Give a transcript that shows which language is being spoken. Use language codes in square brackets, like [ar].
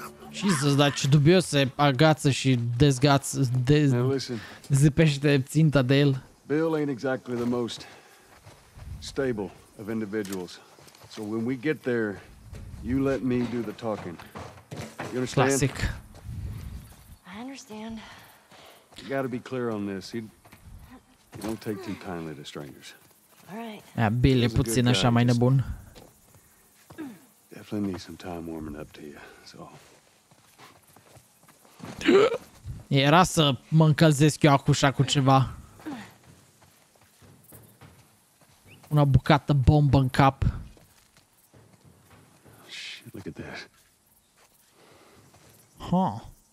[ro] Jesus, dar ce dubios se agață și dezgață, zipește ținta de el. [en] Bill ain't exactly the most stable of individuals. So when we get there, you let me do the talking. You understand? Classic. I understand. You gotta be clear on this. You don't take too kindly to strangers. All right. [ro] Yeah, Bill e puțin așa mai nebun. [en] Definitely need some time warming up to you, so... [ro] Era să mă încălzesc eu acușa cu ceva. Una bucată bombă în cap. [en] Shit, look at that. Huh.